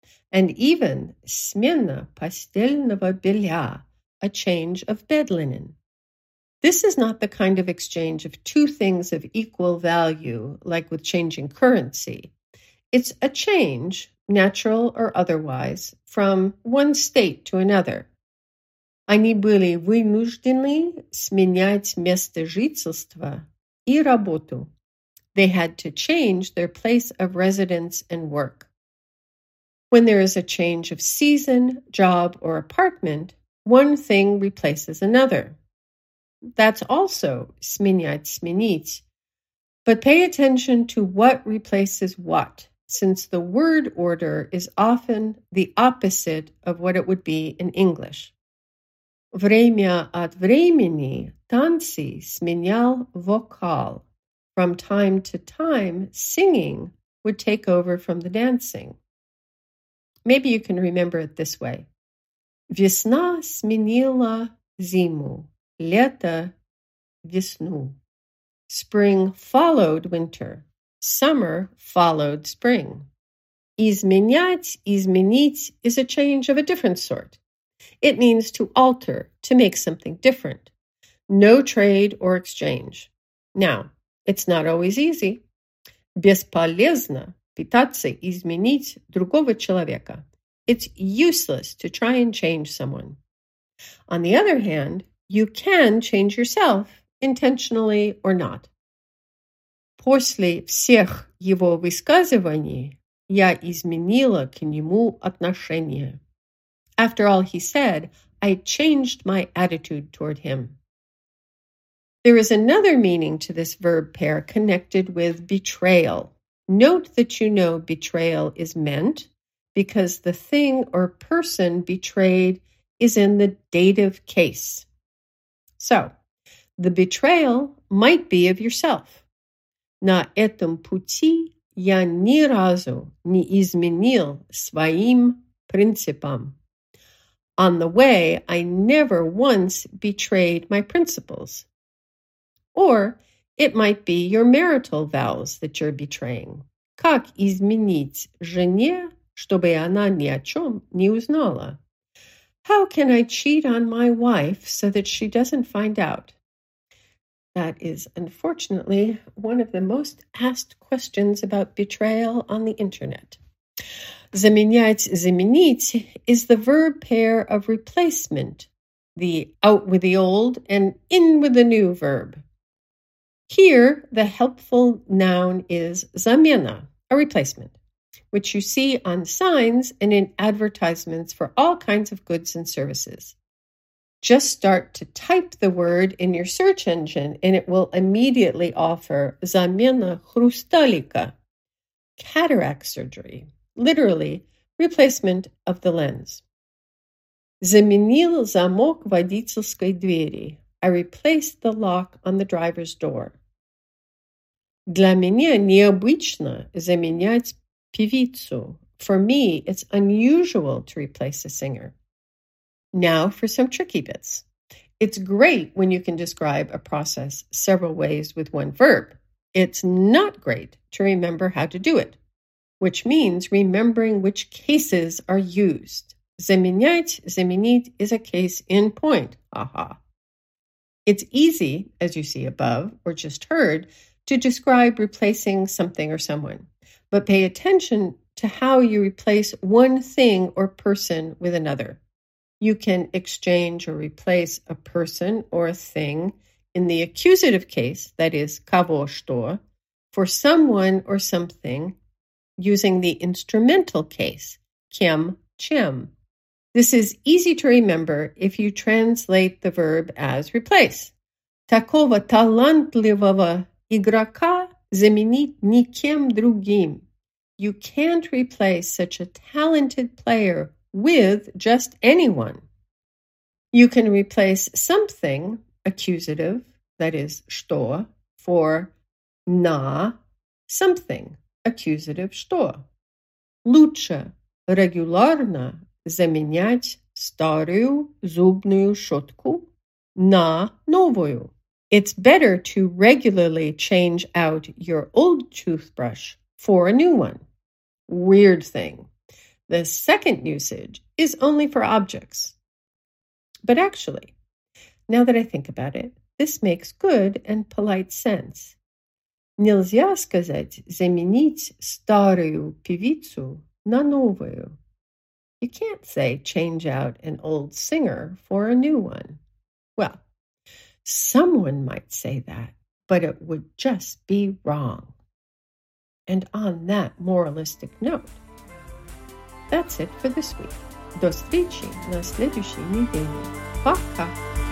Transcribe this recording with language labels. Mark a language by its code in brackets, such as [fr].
[en] And even [ru] смена постельного белья, [en] a change of bed linen. This is not the kind of exchange of two things of equal value, like with changing currency. It's a change, natural or otherwise, from one state to another. [ru] Они были вынуждены сменять место жительства и работу. [en] They had to change their place of residence and work. When there is a change of season, job, or apartment, one thing replaces another. That's also [ru] сменять, сменить. [en] But pay attention to what replaces what, since the word order is often the opposite of what it would be in English. [ru] Время от времени танцы сменял вокал. [en] From time to time, singing would take over from the dancing. Maybe you can remember it this way. [ru] Весна сменила зиму. Лето весну. [en] Spring followed winter. Summer followed spring. [ru] Изменять, изменить [en] is a change of a different sort. It means to alter, to make something different. No trade or exchange. Now, it's not always easy. [ru] Бесполезно пытаться изменить другого человека. [en] It's useless to try and change someone. On the other hand, you can change yourself, intentionally or not. [ru] После всех его высказываний я изменила к нему отношение. [en] After all he said, I changed my attitude toward him. There is another meaning to this verb pair connected with betrayal. Note that you know betrayal is meant because the thing or person betrayed is in the dative case. So, the betrayal might be of yourself. [ru] На этом пути я ни разу не изменил своим принципам. [en] On the way, I never once betrayed my principles. Or it might be your marital vows that you're betraying. [ru] Как изменить жене, чтобы она ни о чем не узнала? [en] How can I cheat on my wife so that she doesn't find out? That is, unfortunately, one of the most asked questions about betrayal on the internet. [ru] Заменять, заменить [en] is the verb pair of replacement, the out with the old and in with the new verb. Here, the helpful noun is замена, a replacement, which you see on signs and in advertisements for all kinds of goods and services. Just start to type the word in your search engine and it will immediately offer [ru] замена хрусталика, [en] cataract surgery, literally replacement of the lens. [ru] Заменил замок водительской двери. [en] I replaced the lock on the driver's door. [ru] Для меня необычно заменять певицу. [en] For me, it's unusual to replace a singer. Now for some tricky bits. It's great when you can describe a process several ways with one verb. It's not great to remember how to do it, which means remembering which cases are used. [ru] Заменять, заменить [en] is a case in point. Aha. It's easy, as you see above or just heard, to describe replacing something or someone, but pay attention to how you replace one thing or person with another. You can exchange or replace a person or a thing in the accusative case, that is, [ru] кого что, [en] for someone or something using the instrumental case, [ru] кем чем. [en] This is easy to remember if you translate the verb as replace. [ru] Такого талантливого игрока заменить никем другим. [en] You can't replace such a talented player with just anyone. You can replace something, accusative, that is, что, for на, something, accusative, что. [ru] Лучше регулярно заменять старую зубную щетку на новую. [en] It's better to regularly change out your old toothbrush for a new one. Weird thing. The second usage is only for objects. But actually, now that I think about it, this makes good and polite sense. [ru] Нельзя сказать заменить старую певицу на новую. [en] You can't say change out an old singer for a new one. Well, someone might say that, but it would just be wrong. And on that moralistic note, that's it for this week. [ru] До встречи на следующей неделе. Пока!